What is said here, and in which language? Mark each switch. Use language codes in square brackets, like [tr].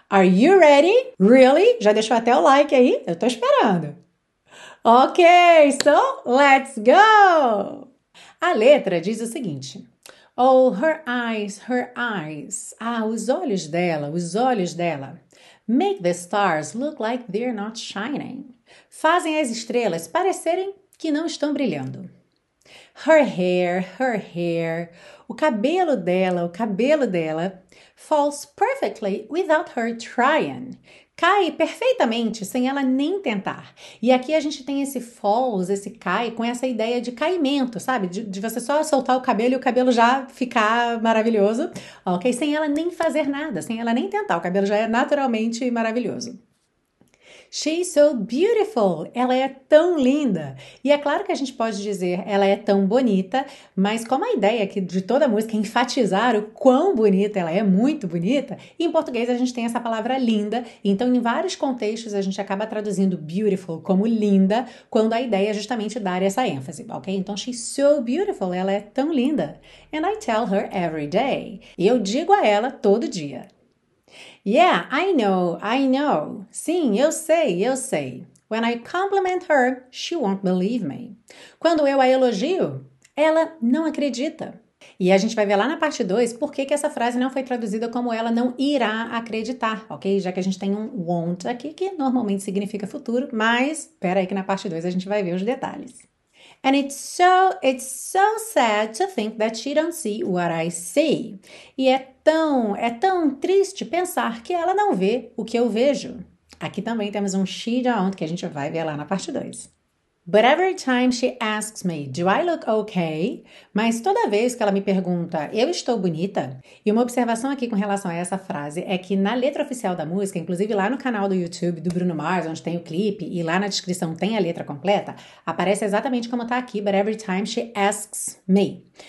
[en] Are you ready? Really? [pt] Já deixou até o like aí? Eu tô esperando. [en] Ok, so let's go! [pt] A letra diz o seguinte: [en] Oh, her eyes. [pt] Ah, os olhos dela, os olhos dela. [en] Make the stars look like they're not shining. [pt] Fazem as estrelas parecerem que não estão brilhando. [en] Her hair. [pt] O cabelo dela [en] falls perfectly without her trying. [pt] Cai perfeitamente sem ela nem tentar. E aqui a gente tem esse falls, esse cai, com essa ideia de caimento, sabe? De você só soltar o cabelo e o cabelo já ficar maravilhoso, ok? Sem ela nem fazer nada, sem ela nem tentar. O cabelo já é naturalmente maravilhoso. [en] She's so beautiful. [pt] Ela é tão linda. E é claro que a gente pode dizer ela é tão bonita, mas como a ideia aqui de toda a música é enfatizar o quão bonita ela é, muito bonita, em português a gente tem essa palavra linda. Então, em vários contextos, a gente acaba traduzindo beautiful como linda, quando a ideia é justamente dar essa ênfase, ok? Então, [en] she's so beautiful. [pt] Ela é tão linda. [en] And I tell her every day. [pt] E eu digo a ela todo dia. [en] Yeah, I know. [pt] Sim, eu sei, eu sei. [en] When I compliment her, she won't believe me. [pt] Quando eu a elogio, ela não acredita. E a gente vai ver lá na parte 2 por que que essa frase não foi traduzida como ela não irá acreditar, ok? Já que a gente tem um won't aqui, que normalmente significa futuro, mas espera aí que na parte 2 a gente vai ver os detalhes. [en] And it's so sad to think that she don't see what I see. [pt] E é tão triste pensar que ela não vê o que eu vejo. Aqui também temos um she don't que a gente vai ver lá na parte 2. [en] But every time she asks me, do I look okay? [pt] Mas toda vez que ela me pergunta, eu estou bonita? E uma observação aqui com relação a essa frase é que na letra oficial da música, inclusive lá no canal do YouTube do Bruno Mars, onde tem o clipe, e lá na descrição tem a letra completa, aparece exatamente como está aqui, [en] but every time she asks me.